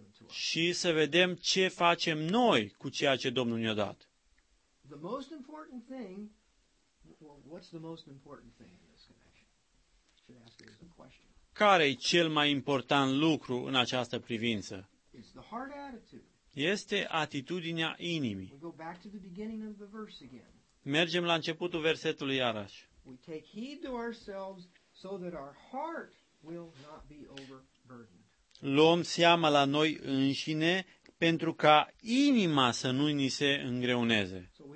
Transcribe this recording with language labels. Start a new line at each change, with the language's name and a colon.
Romanian: Și să vedem ce facem noi cu ceea ce Domnul ne-a dat.
English: The most important thing, well, what's the most important thing in this connection? Should ask it as a question.
Romanian: Care e cel mai important lucru în această privință?
English: It's the heart attitude.
Romanian: Este atitudinea inimii.
English: We go back to the beginning of the verse again.
Romanian: Mergem la începutul versetului iarăși.
English: We take heed to ourselves so that our heart will not be overburdened.
Romanian: Luăm seama la noi înșine pentru ca inima să nu ni se îngreuneze.